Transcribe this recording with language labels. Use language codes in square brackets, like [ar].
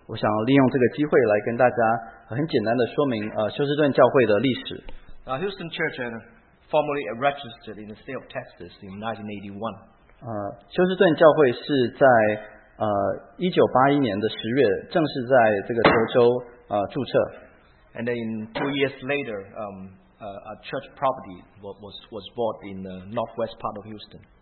[zh] 我想利用这个机会来跟大家很简单的说明 休斯顿教会的历史。 [en] Houston Church formally registered in the state of Texas in 1981. [zh] 休斯顿教会是在 1981年的10月 正式在这个德州注册。 [en] And then in 2 years later, a church property was bought in the northwest part of Houston.